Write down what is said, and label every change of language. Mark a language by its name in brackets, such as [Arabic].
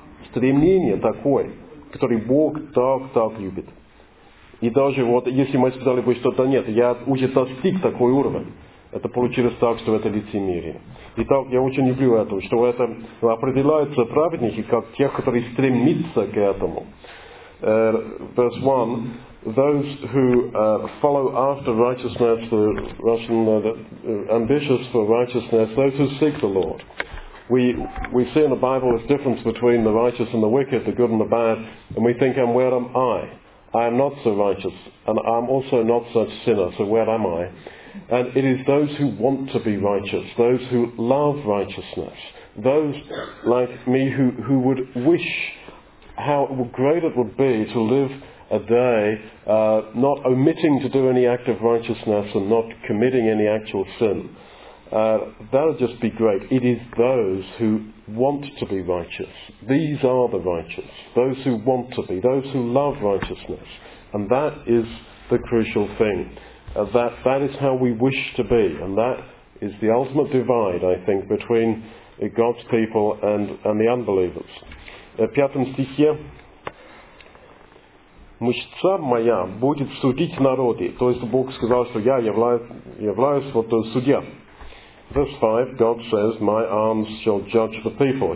[Russian] Стремление такое, которое Бог так любит. И даже вот если мы сказали бы, что да нет, я уже достиг такой уровень. Это получилось так, что это лицемерие. Итак, я очень люблю это, что это определяются праведники как те, которые стремятся к этому. [English] Verse 1. Those who follow after righteousness, the Russian, ambitious for righteousness, those who seek the Lord. We see in the Bible this difference between the righteous and the wicked, the good and the bad, and we think, and where am I? I am not so righteous, and I am also not such a sinner, so where am I? And it is those who want to be righteous, those who love righteousness, those like me who would wish how great it would be to live a day, not omitting to do any act of righteousness and not committing any actual sin. That would just be great. It is those who want to be righteous. These are the righteous. Those who want to be. Those who love righteousness. And that is the crucial thing. That is how we wish to be. And that is the ultimate divide, I think, between God's people and the unbelievers. [Russian] Пятом стихе. Мышца моя будет судить народы. То есть Бог сказал, что я являюсь вот судья. [English] Verse 5, God says, my arms shall judge the people.